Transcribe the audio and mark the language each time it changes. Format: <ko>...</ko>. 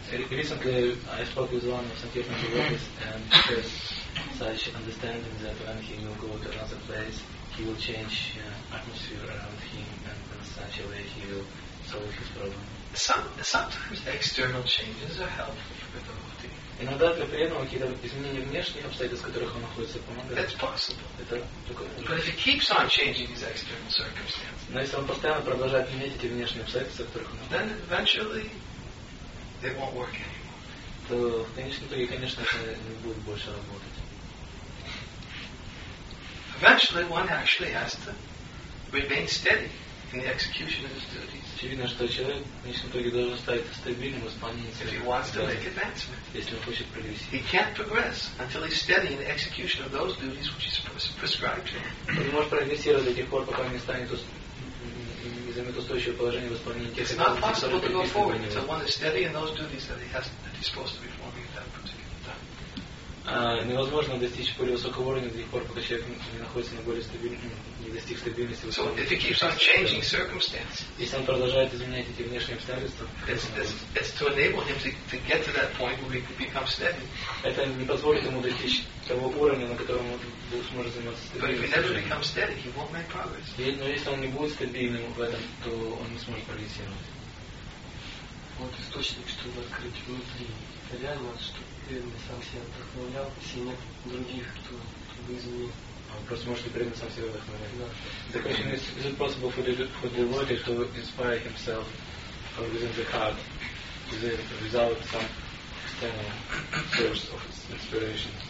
<en>Recently I spoke with one of Sankirtan's devotees and has such understanding that when he will go to another place he will change atmosphere around him and in such a way he will solve his problem. Sometimes external changes are helpful for the devotee.</en> <ru>Иногда для преданного какие-то изменения внешних обстоятельств, в которых он находится, помогают.</ru> <en>That's possible.</en> <ru>Это такое.</ru> <en>But if he keeps on changing his external circumstances.</en> <ru>Но если он постоянно продолжает менять эти внешние обстоятельства, в которых он находится,</ru> <en>then eventually they won't work anymore.</en> <ru>То в конечном итоге, конечно, это не будет больше работать.</ru> <en>Eventually one actually has to remain steady in the execution of his duties.</en> <ru>Очевидно, что человек в конечном итоге должен стать стабильным в исполнении целей, если он хочет прогрессировать.</ru> <en>He can't progress until he's steady in the execution of those duties which is prescribed to him.</en> <ru>Он не может прогрессировать до тех пор, пока он не станет не займет устойчивое положение в исполнении тех целей.</ru> <en>It's not possible to go forward until one is steady in those duties that he has that he's supposed to be performing at that particular time.</en> <ru>Невозможно достичь более высокого уровня до тех пор, пока человек не находится на более стабильном.</ru> <en>So if he keeps on changing circumstances,</en> <ru>если он продолжает изменять эти внешние обстоятельства,</ru> <en>it's to enable him to get to that point where he can become steady.</en> <ru>Это не позволит ему достичь того уровня, на котором он сможет заниматься стабильностью.</ru> <en>But if he never becomes steady, he won't make progress.</en> <ru>Но если он не будет стабильным в этом, то он не сможет прогрессировать. Вот источник, чтобы открыть внутри реальность, чтобы он сам себя вдохновлял, если нет других, кто бы изменил. Просто можете принять сам себя вдохновлять.</ru> <en>The question is, is it possible for the devotee to inspire himself from within the heart without some external source of inspiration?</en>